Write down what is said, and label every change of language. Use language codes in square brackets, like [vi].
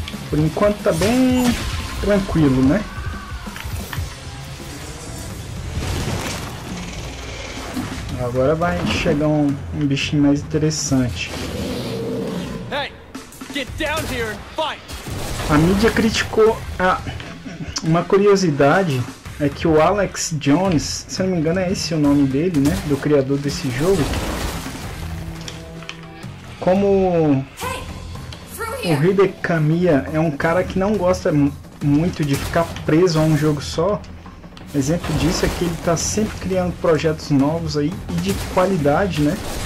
[pt] Por enquanto tá bem tranquilo, né? Agora vai chegar um bichinho mais interessante. [en] Hey, get down here and fight. [pt] A mídia criticou a... Uma curiosidade é que o Alex Jones, se não me engano é esse o nome dele, né? Do criador desse jogo. Como o Hideo Kamiya é um cara que não gosta muito de ficar preso a um jogo só, exemplo disso é que ele tá sempre criando projetos novos aí e de qualidade, né?